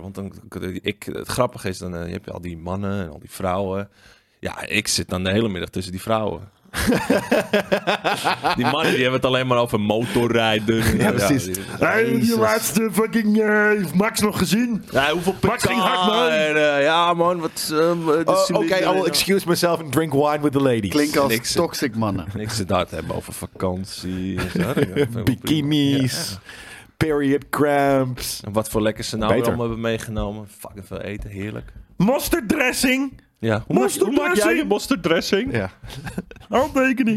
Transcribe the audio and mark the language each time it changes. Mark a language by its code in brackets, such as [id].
[nl] Want het grappige is, dan heb je al die mannen en al die vrouwen. Ja, ik zit dan de hele middag tussen die vrouwen. Die mannen die hebben het alleen maar over motorrijden. Ja, precies. Ja, die laatste fucking Max nog gezien. Ja, hoeveel Max ging hard, man. En, ja, man. Oké, [en] I will excuse myself and drink wine with the ladies. [nl] Klinkt als niks, toxic mannen. Niks te hard hebben over vakantie. Bikinis. Ja. Period cramps. En wat voor lekkers ze nou weer allemaal hebben meegenomen. Fucking veel eten, heerlijk. Mustard dressing. Ja. Hoe maak jij je mustard dressing? Ja. Handtekening.